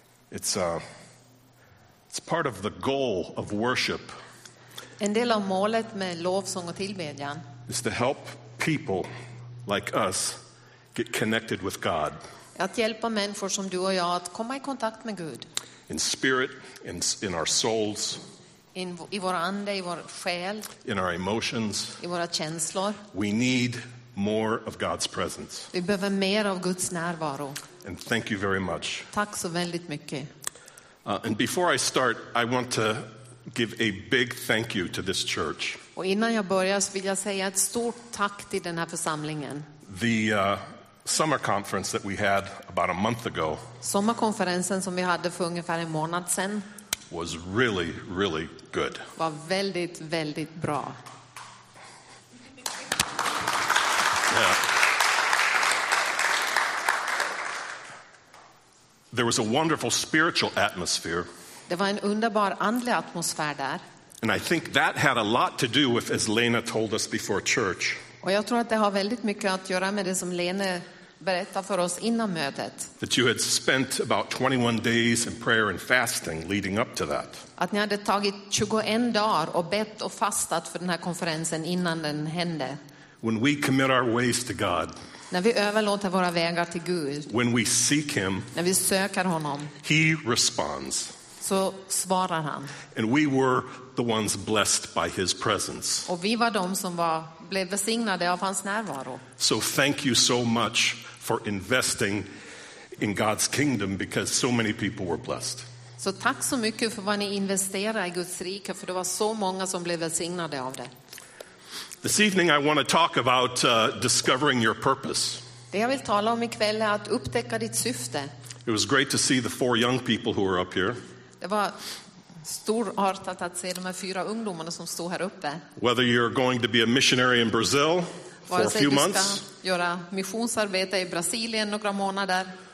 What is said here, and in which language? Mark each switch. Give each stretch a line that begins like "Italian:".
English: It's part of the goal of worship.
Swedish: En del av målet med lovsång och tillbedjan
English: is to help people like us get connected with God.
Swedish: Att hjälpa människor som du och jag att komma i kontakt med Gud.
English: In spirit, in our souls.
Swedish: I vår ande, i vår själ.
English: In our emotions.
Swedish: I våra känslor.
English: We need more of God's presence.
Swedish: Vi behöver mer av Guds närvaro.
English: And thank you very much.
Swedish: Tack så väldigt mycket.
English: And before I start, I want to give a big thank you to this church.
Swedish: Och innan jag börjar så vill jag säga ett stort tack till den här församlingen.
English: The summer conference that we had about a month ago.
Swedish: Sommarkonferensen som vi hade för ungefär en månad sen.
English: Was really, really good.
Swedish: Var väldigt, väldigt bra.
English: Yeah. There was a wonderful spiritual atmosphere.
Swedish: Det var en underbar andlig atmosfär där.
English: And I think that had a lot to do with, as Lena told us before church.
Swedish: Och jag tror att det har väldigt mycket att göra med det som Lena berätta för oss innan mötet.
English: That you had spent about 21 days in prayer and fasting leading up to that.
Swedish: Att ni hade tagit 21 dagar och bett och fastat för den här konferensen innan den hände.
English: When we commit our ways to God.
Swedish: När vi överlåter våra vägar till Gud.
English: When we seek him.
Swedish: När vi söker honom.
English: He responds.
Swedish: Så svarar han.
English: And we were the ones blessed by his presence.
Swedish: Och vi var de som var blev välsignade av hans närvaro.
English: So thank you so much for investing in God's kingdom because so many people were blessed.
Swedish: Så tack så mycket för vad ni investerade i Guds rike, för det var så många som blev välsignade av det.
English: This evening I want to talk about discovering your purpose.
Swedish: Det jag vill tala om ikväll är att upptäcka ditt syfte.
English: It was great to see the four young people who were up here.
Swedish: Det var storartat att se de här fyra ungdomarna som står här uppe.
English: Whether you're going to be a missionary in Brazil for a few months.
Swedish: Vare sig du ska göra missionsarbete i Brasilien några månader.